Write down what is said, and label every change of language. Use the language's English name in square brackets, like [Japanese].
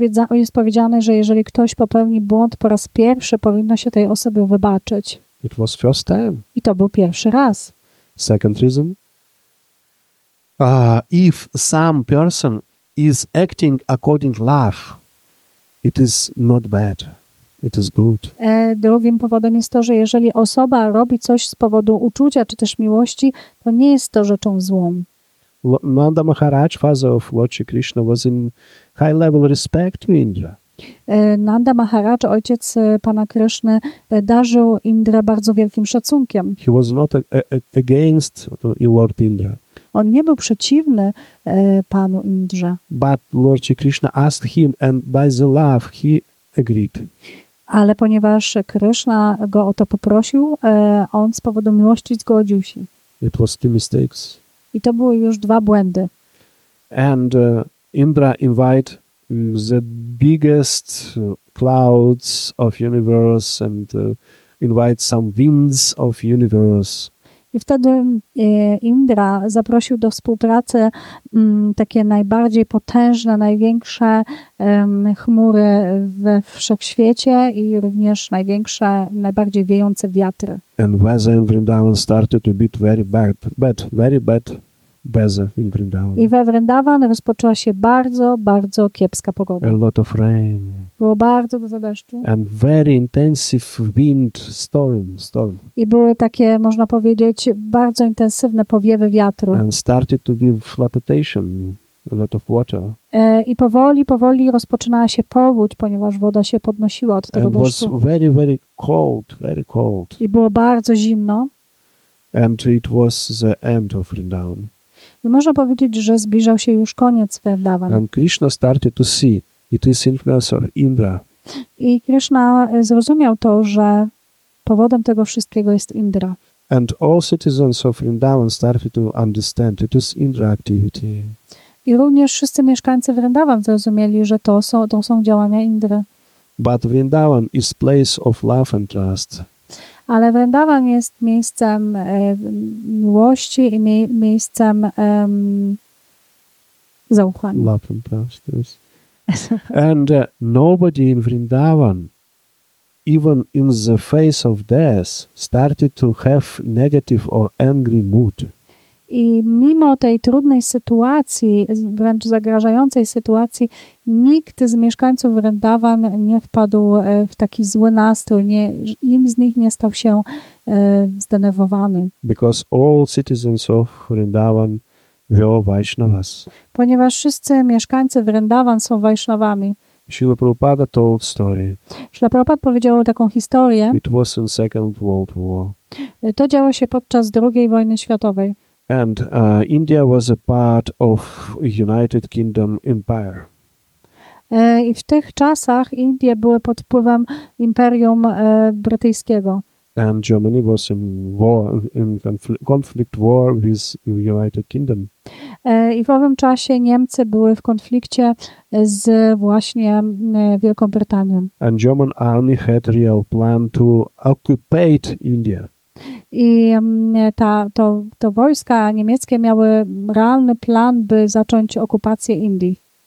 [Polish] Jest powiedziane, że jeżeli ktoś popełni błąd po raz pierwszy, powinno się tej osobie wybaczyć. [English] It was first time. [Polish] I to był pierwszy raz. [English] Second reason, if some person is acting according love, it is not bad. It is good. [Polish] Drugim powodem jest to, że jeżeli osoba robi coś z powodu uczucia czy też miłości, to nie jest to rzeczą złą. [English] Nanda Maharaj, father of Lord Shri Krishna, was in high level respect to Indra. [Polish] Nanda Maharaj, ojciec pana Kryszny, darzył Indrę bardzo wielkim szacunkiem. [English] He was not against Lord Indra. [Polish] On nie był przeciwny panu Indrze. [English] But Lord Shri Krishna asked him and by the love he agreed. [Polish] Ale ponieważ Krishna go o to poprosił, on z powodu miłości zgodził się. [English] It was two mistakes. [Polish] I to były już dwa błędy. [English] And Indra invite the biggest clouds of universe and invite some winds of universe. [Polish] I wtedy Indra zaprosił do współpracy takie najbardziej potężne, największe chmury we wszechświecie i również największe, najbardziej wiejące wiatry. [English] And weather in Vrindavan started to be very bad weather in Vrindavan. [Polish] I we Vrindavan rozpoczęła się bardzo, bardzo kiepska pogoda. [English] A lot of rain. [Polish] Było bardzo dużo deszczu. [English] And very intensive wind storm. [Polish] I były takie, można powiedzieć, bardzo intensywne powiewy wiatru. [English] And started to be flotation, a lot of water. [Polish] I powoli rozpoczynała się powódź, ponieważ woda się podnosiła od tego [English] and [Polish] deszczu. [English] Was very cold. [Polish] I było bardzo zimno. [English] And it was the end of Vrindavan. [Polish] I można powiedzieć, że zbliżał się już koniec Vrindavan. [English] And Krishna started to see. It is influence of Indra. [Polish] I Krishna zrozumiał to, że powodem tego wszystkiego jest Indra. [English] And all citizens of Vrindavan started to understand it is Indra activity. [Polish] I również wszyscy mieszkańcy Vrindavan zrozumieli, że to są działania Indry. [English] But Vrindavan is place of love and trust. [Polish] Ale Vrindavan jest miejscem miłości i miejscem zaufania. [English] Love and trust, yes. And nobody in Vrindavan, even in the face of death, started to have negative or angry mood. [Polish] I mimo tej trudnej sytuacji, wręcz zagrażającej sytuacji, nikt z mieszkańców Vrindavan nie wpadł w taki zły nastrój, nikt z nich nie stał się zdenerwowany. [English] Because all citizens of Vrindavan were Vaishnavas. [Polish] Ponieważ wszyscy mieszkańcy Vrindavan są Vaishnavami. [English] Śrīla Prabhupāda told story. [Polish] Śrīla Prabhupāda powiedział taką historię. [English] It was in Second World War. [Polish] To działo się podczas II wojny światowej. [English] And India was a part of United Kingdom Empire. [Polish] I w tych czasach Indie były pod wpływem Imperium Brytyjskiego. [English] And Germany was in war, in conflict war with United Kingdom. [Polish] I w owym czasie Niemcy były w konflikcie z właśnie Wielką Brytanią. [English] And German army had real plan to occupy India. [Polish] I to wojska niemieckie miały realny plan, by zacząć okupację Indii.